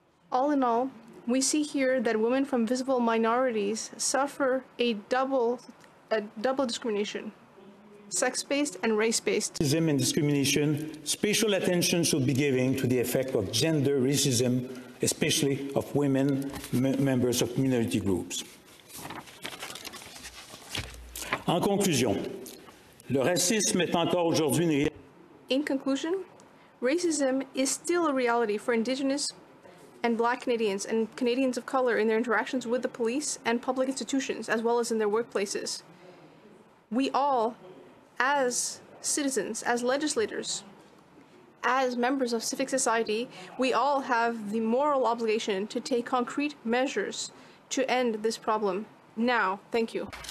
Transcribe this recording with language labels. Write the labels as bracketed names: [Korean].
[English] All in all, we see here that women from visible minorities suffer a double discrimination, sex-based and race-based. Racism and discrimination, special attention should be given to the effect of gender racism, especially of women members of minority groups. [French] En conclusion, le racisme est encore aujourd'hui une réalité. [English] In conclusion, racism is still a reality for Indigenous and Black Canadians and Canadians of color in their interactions with the police and public institutions, as well as in their workplaces. We all, as citizens, as legislators, as members of civic society, we all have the moral obligation to take concrete measures to end this problem now. Thank you.